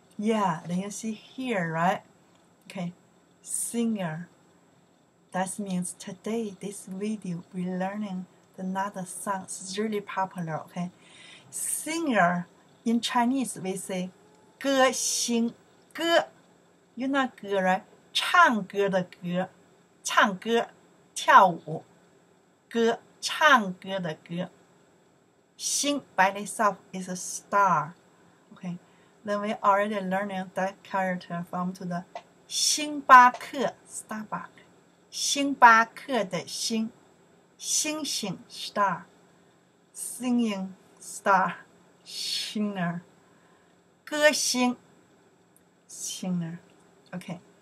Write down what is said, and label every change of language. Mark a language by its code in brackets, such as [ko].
[en] Yeah, then you see here, right? Okay, singer. That means today, this video, we're learning another song. It's really popular, okay? Singer, in Chinese, we say [zh] 歌星歌 [en] You know 歌, right? [zh] 唱歌的歌，唱歌，跳舞，歌，唱歌的歌。 [en] 星 by itself is a star. Okay, then we already learning that character from to the 星巴克 Starbucks. [zh] 星巴克的星，星星 [en] star, singing star, singer, 歌星 singer. Okay.